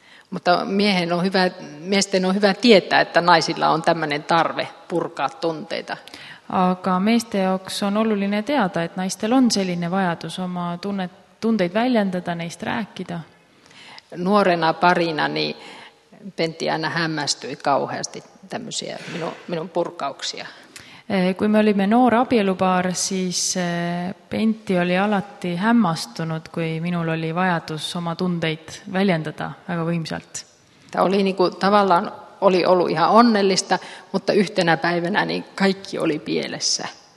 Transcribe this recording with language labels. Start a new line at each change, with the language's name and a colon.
Finnish: Mutta miesten on hyvä tietää, että naisilla on tämmöinen tarve purkaa tunteita.
Estonian: Aga meeste jaoks on oluline teada, että naistel on selline vajadus oma tunteid väljendada, neist rääkida.
Finnish: Nuorena parina niin Pentti aina hämmästyi kauheasti tämmöisiä minun purkauksia.
Estonian: Kui me olimme noor abielupaar, siis Pentti oli alati hämmastunut, kui minul oli vajadus oma tundeid väljendada väga võimsalt.
Finnish: Ta oli niinku, tavallaan oli ollut ihan onnellista, mutta yhtenä päivänä niin kaikki oli pielessä.